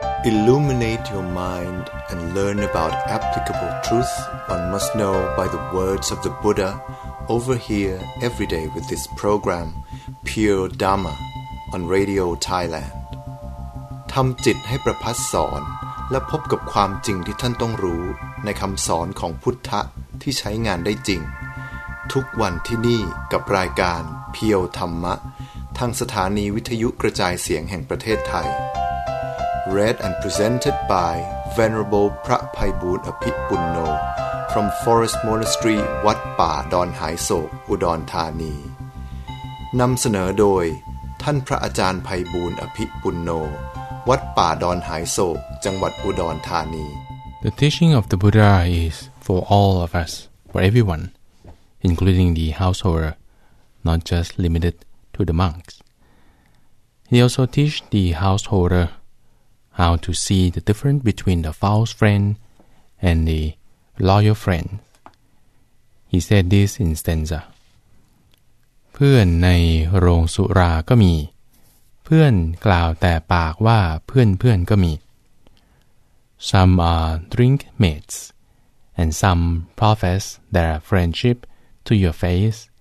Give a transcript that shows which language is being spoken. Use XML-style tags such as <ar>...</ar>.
<en>Illuminate your mind and learn about applicable truth one must know by the words of the Buddha over here every day with this program Pure Dharma on Radio Thailand.</en> <th>ทำจิตให้ประพัสสอนและพบกับความจริงที่ท่านต้องรู้ในคำสอนของพุทธะที่ใช้งานได้จริงทุกวันที่นี่กับรายการเพียวธรรมะทางสถานีวิทยุกระจายเสียงแห่งประเทศไทย</th> <en>Read and presented by Venerable</en> <th>พระไพบูลย์อภิปุญโญ</th> <en>from Forest Monastery</en> <th>วัดป่าดอนหายโศกอุดรธานีนำเสนอโดยท่านพระอาจารย์ไพบูลย์อภิปุญโญวัดป่าดอนหายโศกจังหวัดอุดรธานี</th> <en>The teaching of the Buddha is for all of us, for everyone, including the householder, not just limited to the monks. He also teaches the householder how to see the difference between the false friend and the loyal friend. He said this in stanza.</en> <th>เพื่อนในโรงสุราก็มีเพื่อนกล่าวแต่ปากว่าเพื่อนๆก็มี</th> <en>Some are drink mates, and some profess their friendship to your face.</en>